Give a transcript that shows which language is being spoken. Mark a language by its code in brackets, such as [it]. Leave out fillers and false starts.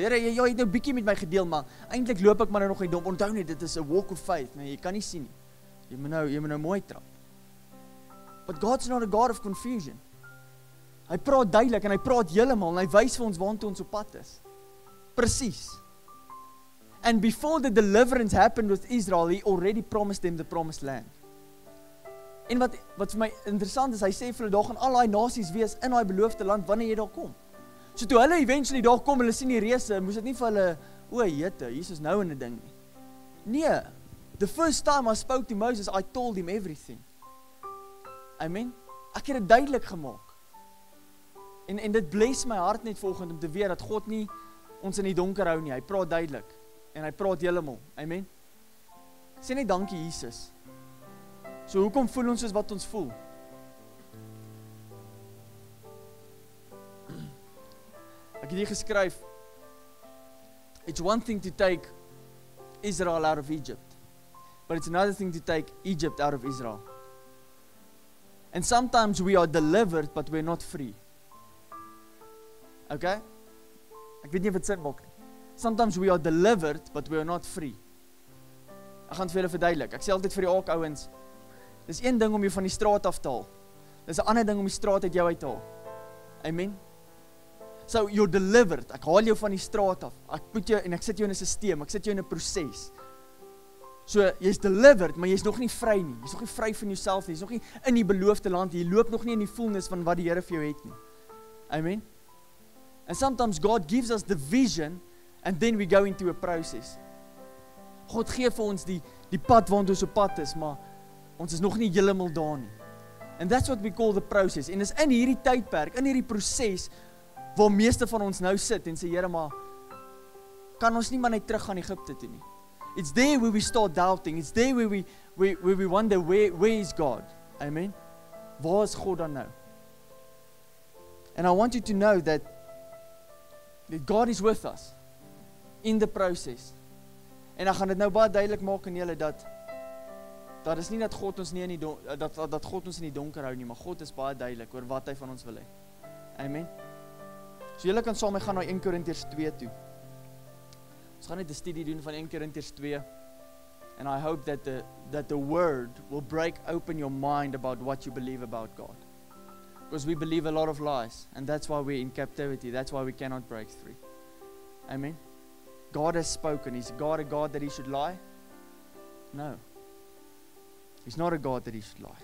[af] Here, jy het nou bietjie met my gedeel, maar eintlik loop ek maar nou nog in die donker. Onthou net, dit is [en] a walk of faith, [af] maar jy kan nie sien nie. Jy moet nou mooi trap. [en] But God's not a God of confusion. [af] Hy praat duidelik en hy praat heeltemal en hy wys vir ons waartoe ons op pad is. Presies. [en] And before the deliverance happened with Israel, he already promised them the promised land. [af] En wat vir my interessant is, hy sê vir hulle, daar gaan al daai nasies wees in daai beloofde land wanneer jy daar kom. So toe hulle eventually daar kom, hulle sien die reëse, moes dit nie vir hulle, o, jete, Jesus nou in 'n ding nie. Nee, [en] the first time I spoke to Moses, I told him everything. Amen. [af] Ek het dit duidelik gemaak. En dit bless my hart net volgend om te weet dat God nie ons in die donker hou nie. Hy praat duidelik en hy praat heeltemal. Amen. Sê net dankie Jesus. So hoekom voel ons soos wat ons voel? Ek het hier geskryf, [en] it's one thing to take Israel out of Egypt, but it's another thing to take Egypt out of Israel. And sometimes we are delivered, but we're not free. Okay? [af] Ek weet nie of dit sin maak nie. [en] Sometimes we are delivered, but we are not free. [af] Ek gaan het vir julle verduidelik. Ek sê altyd vir die ook, ouwens, dis een ding om jou van die straat af te haal. Dis een ander ding om die straat uit jou uit te haal. Amen? [en] So you're delivered, [af] ek haal jou van die straat af, ek put jou, en ek sit jou in 'n systeem, ek sit jou in 'n proses. So, jy is delivered, maar jy is nog nie vry nie. Jy is nog nie vry van jouself nie. Jy is nog nie in die beloofde land. Jy loop nog nie in die fullness van wat die Here vir jou het nie. Amen. [en] And sometimes God gives us the vision and then we go into a process. [af] God gee vir ons die pad waar ons op pad is, maar ons is nog nie heeltemal daar nie. [en] And that's what we call the process. [af] En is in hierdie tydperk, in hierdie proses waar meeste van ons nou sit en sê Here, maar kan ons nie maar net terug gaan Egipte toe nie. [en] It's there where we start doubting. It's there where we wonder where is God? Amen. [af] Waar is God dan nou? [en] And I want you to know that God is with us in the process. [af] En ek gaan dit nou baie duidelik maak aan julle dat is nie dat God ons nie in die dat God ons in die donker hou nie, maar God is baie duidelik oor wat hy van ons wil hê. Amen. So julle kan saam gaan na 1 Korintiërs 2 toe. Ons gaan net 'n studie doen van 1 Korintiërs 2. [en] And I hope that the word will break open your mind about what you believe about God. Because we believe a lot of lies and that's why we're in captivity. That's why we cannot break free. Amen. God has spoken. Is God a God that he should lie? No. He's not a God that he should lie.